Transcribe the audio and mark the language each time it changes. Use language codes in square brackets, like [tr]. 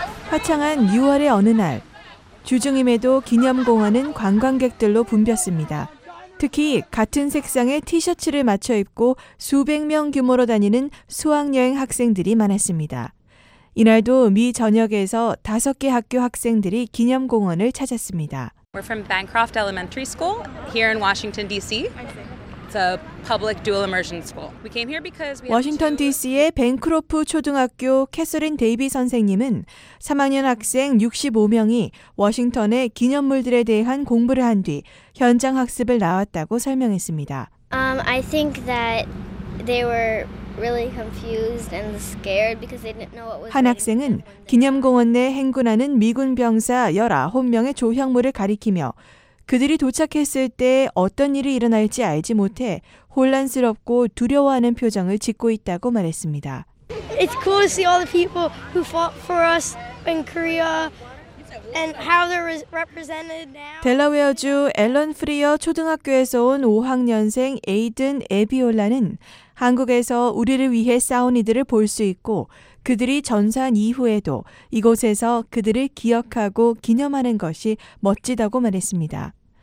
[ko] 화창한 6월의 어느 날, 주중임에도 기념공원은 관광객들로 붐볐습니다. 특히 같은 색상의 티셔츠를 맞춰 입고 수백 명 규모로 다니는 수학여행 학생들이 많았습니다. 이날도 미 전역에서 5개 학교 학생들이 기념공원을 찾았습니다. [en] We're from Bancroft Elementary School here in Washington D.C. It's a public dual immersion school. We came here because we [ko] 워싱턴 D.C.의 벤크로프 초등학교 캐서린 데이비 선생님은 3학년 학생 65명이 워싱턴의 기념물들에 대한 공부를 한 뒤 현장 학습을 나왔다고 설명했습니다. [en] I think that they were really confused and scared because they didn't know what was. [ko] 한 학생은 기념공원 내 행군하는 미군 병사 19명의 조형물을 가리키며 그들이 도착했을 때 어떤 일이 일어날지 알지 못해 혼란스럽고 두려워하는 표정을 짓고 있다고 말했습니다. [en] It's cool to see all the people who fought for us in Korea and how they're represented now. [ko] 델라웨어주 앨런 프리어 초등학교에서 온 5학년생 에이든 에비올라는 한국에서 우리를 위해 싸운 이들을 볼 수 있고 그들이 전사한 이후에도 이곳에서 그들을 기억하고 기념하는 것이 멋지다고 말했습니다.